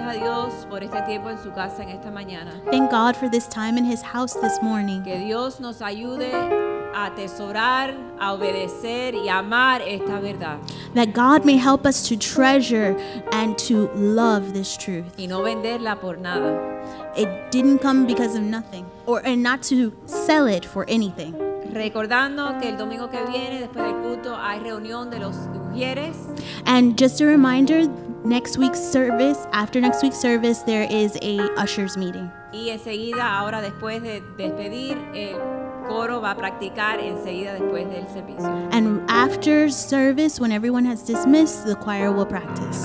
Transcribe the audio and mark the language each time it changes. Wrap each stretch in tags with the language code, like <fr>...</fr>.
<en>Thank God for this time in his house this morning.</en> <es>Que Dios nos ayude a atesorar, a obedecer y amar esta verdad.</es> <en>That God may help us to treasure and to love this truth.</en> <es>Y no venderla por nada.</es> <en>It didn't come because of nothing. And not to sell it for anything.</en> <es>Recordando que el domingo que viene, después del culto, hay reunión de los mujeres.</es> <en>And just a reminder, after next week's service, there is a usher's meeting.</en> <es>Y enseguida, ahora después de despedir, el coro va a practicar enseguida después del servicio.</es> <en>And after service, when everyone has dismissed, the choir will practice.</en>